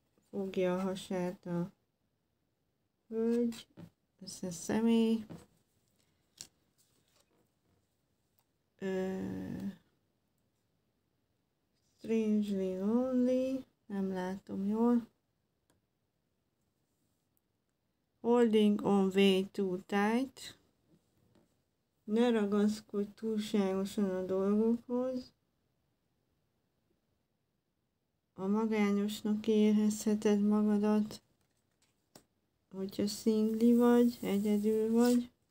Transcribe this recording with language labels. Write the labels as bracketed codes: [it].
[hu] Fogja a hasát a hölgy, ez a személy. [en] Strangely lonely, [hu] nem látom jól. [en] Holding on way too tight. [hu] Ne ragaszkodj túlságosan a dolgokhoz. A magányosnak érezheted magadat, hogyha szingli vagy, egyedül vagy.